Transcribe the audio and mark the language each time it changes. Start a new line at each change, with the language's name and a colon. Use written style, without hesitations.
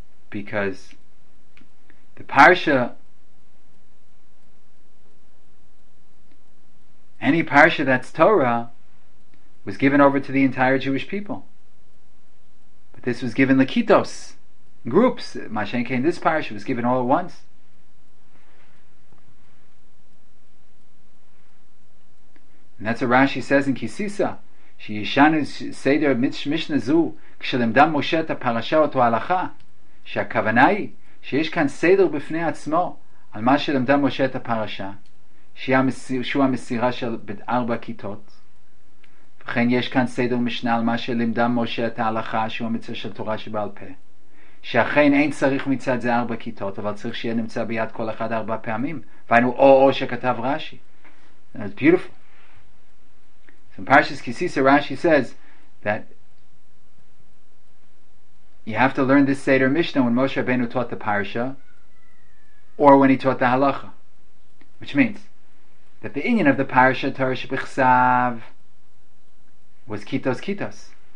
English: Because the parsha, any parsha that's Torah, was given over to the entire Jewish people. But this was given lekitos, groups. Mashen came, this parsha was given all at once. And that's what Rashi says in Kisisa.
Hebrew: שישנו סדר מישנה זו כשלמדם משה את הפרשה אותו הלכה, שהכוונה היא שיש כאן סדר בפני עצמו על מה שלמדם משה את הפרשה, שהוא המסירה של ארבע כיתות. וכן יש כאן סדר משנה על מה שלמדם משה את ההלכה, שהוא המצווה של תורה שבעל פה, שאכן אין צריך מצד זה ארבע כיתות, אבל צריך שיהיה נמצא ביד כל אחד ארבע פעמים, והיינו או שכתב רשי.
English: That's beautiful. So in Parshas Kisisa, Rashi says that you have to learn this Seder Mishnah when Moshe Rabbeinu taught the Parsha or when he taught the Halacha. Which means that the inyan of the Parsha, Torah Shebichsav, was Kitos Kitos.